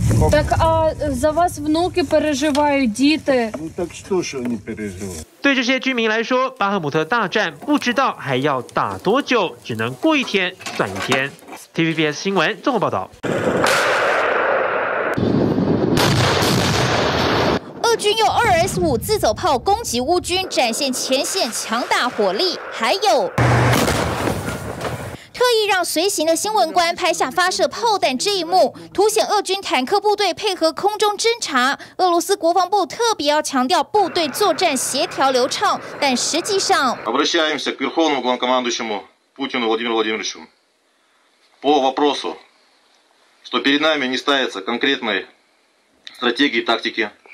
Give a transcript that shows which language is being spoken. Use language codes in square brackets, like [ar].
[uk] Так а за вас внуки переживають, діти? Ну так що ж вони переживають? [zh] 对这些居民来说，巴赫姆特大战不知道还要打多久，只能过一天算一天。 TVBS 新闻综合报道。军用225自走炮攻击乌军，展现前线强大火力。还有，特意让随行的新闻官拍下发射炮弹这一幕，凸显俄军坦克部队配合空中侦察。俄罗斯国防部特别要强调部队作战协调流畅，但实际上 [ru] ，обращаемся к верховному главнокомандующему Путину Владимиру Владимировичу по вопросу, что перед нами не ставится конкретной стратегии тактики.